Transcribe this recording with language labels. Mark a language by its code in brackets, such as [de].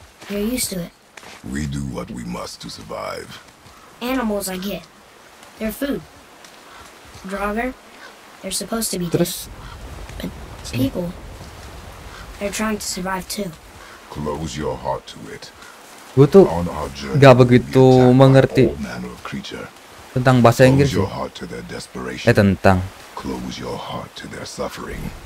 [en] You're used to it. We do what we must to survive. Animals, I get. They're food. Draugr, they're supposed to be [id] terus. [en] Dead. But people, they're trying to survive too. Close your heart to it. [id] Gue tuh nggak begitu mengerti tentang bahasa Inggris. Tentang. [en] Close your heart to their suffering.